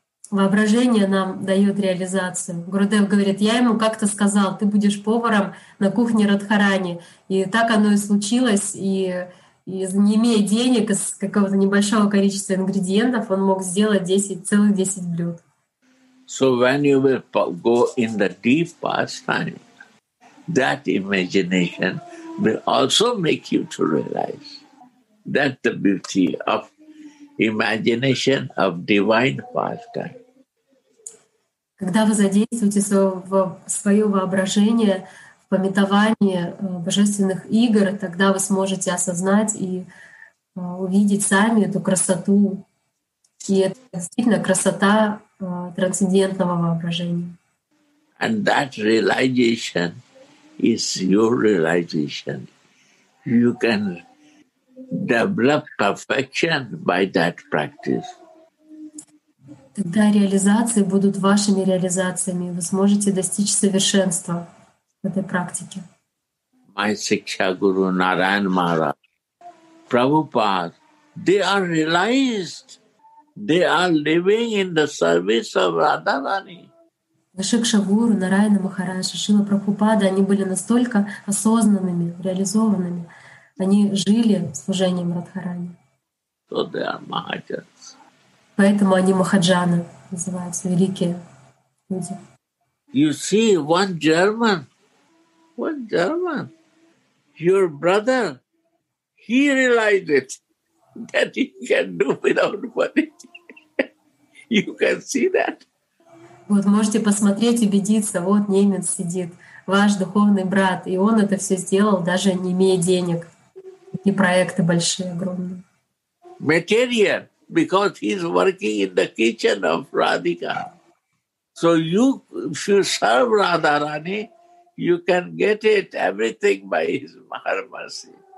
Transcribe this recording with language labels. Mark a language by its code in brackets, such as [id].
[ru] Воображение нам дает реализацию. Гурудев говорит, я ему как-то сказал, ты будешь поваром на кухне Радхарани. И так оно и случилось. И не имея денег, из какого-то небольшого количества ингредиентов, он мог сделать 10, целых 10 блюд. [en] So when you will go in the deep pastime, that imagination will also make you to realize that the beauty of imagination of divine pastime. [ru] Когда вы задействуете свое воображение в памятовании божественных игр, тогда вы сможете осознать и увидеть сами эту красоту. И это действительно красота трансцендентного воображения. [en] And that realization is your realization. You can develop perfection by that practice. [ru] Тогда реализации будут вашими реализациями. Вы сможете достичь совершенства в этой практике. [en] My Siksha Guru Narayan Maharaj, Prabhupada, they are realized. They are living in the service of Radharani. [ru] Шикша Гуру, Нараяна Махараджа, Шрила Прабхупада, они были настолько осознанными, реализованными. Они жили служением Радхарани. [en] So they are Mahajans. [ru] Поэтому они Махаджаны называются, великие люди. [en] You see, one German, your brother, he realized it, that he can do without money. You can see that. [ru] Вот можете посмотреть, убедиться, вот немец сидит, ваш духовный брат, и он это все сделал, даже не имея денег. И проекты большие, огромные. [en] Material, because he's working in the kitchen of Radhika. So you, if you serve Radharani, you can get it, everything by his mercy.